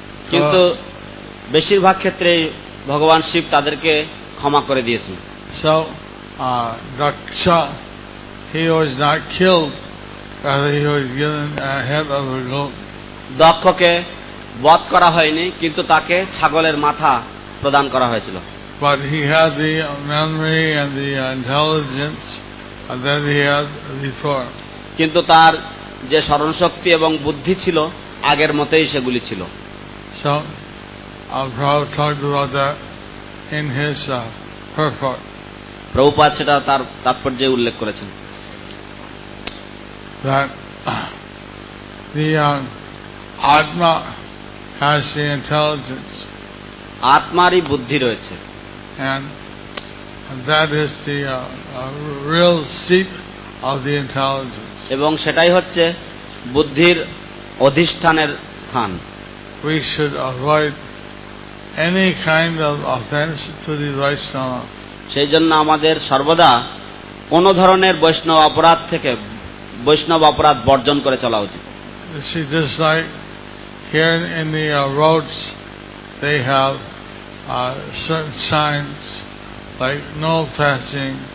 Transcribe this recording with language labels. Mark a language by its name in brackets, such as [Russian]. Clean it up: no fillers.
[Bangla] কিন্তু বেশিরভাগ ক্ষেত্রে ভগবান শিব তাদেরকে ক্ষমা করে দিয়েছেন। [English] So Raksha, he was not killed, but he was given a head of a goat. [Bangla] দক্ষকে বধ করা হয়নি কিন্তু তাকে ছাগলের মাথা প্রদান করা হয়েছিল। [English] But he had the memory and the intelligence that he had before. [Bangla] কিন্তু তার যে স্মরণ শক্তি এবং বুদ্ধি ছিল আগের মতোই সেগুলি ছিল। [English] So Prabhupada talked about that in his purport. [Bangla] Prabhupada সেটা তার তাৎপর্যে উল্লেখ করেছেন। [English] That the atma has the intelligence. [Bangla] আত্মারই বুদ্ধি রয়েছে। [English] And that is the real seat of the intelligence. [Bangla] এবং সেটাই হচ্ছে বুদ্ধির অধিষ্ঠানের স্থান। [English] We should avoid any kind of offense to the Vaishnava. [Bangla] সেই জন্য আমাদের সর্বদা কোন ধরনের বৈষ্ণব অপরাধ থেকে বৈষ্ণব অপরাধ বর্জন করে চলা উচিত। [English] Just like here in the roads they have certain signs like no passing.